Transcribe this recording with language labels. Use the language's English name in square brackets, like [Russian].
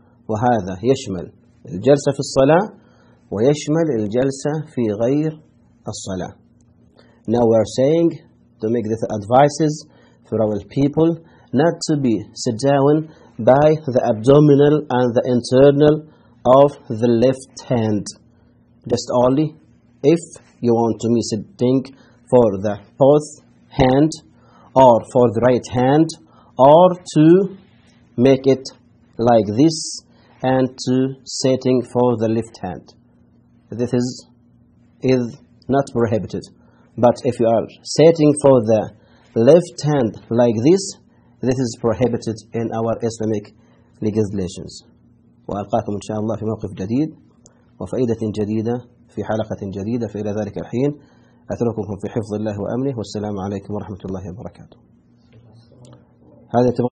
[Arabic] وهذا يشمل الجلسة في الصلاة ويشمل الجلسة في غير الصلاة. [English] Now we are saying to make the advices for our people not to be sit down by the abdominal and the internal of the left hand. Just only if you want to miss it, think for the both hand or for the right hand, or to make it like this and to sitting for the left hand. This is not prohibited. But if you are sitting for the left hand like this is prohibited in our Islamic legislations. [Arabic] وألقاكم إن شاء الله في موقف جديد وفائدة جديدة في حلقة جديدة. فإلى ذلك الحين أترككم في حفظ الله وأمنه، والسلام عليكم ورحمة الله وبركاته. هذا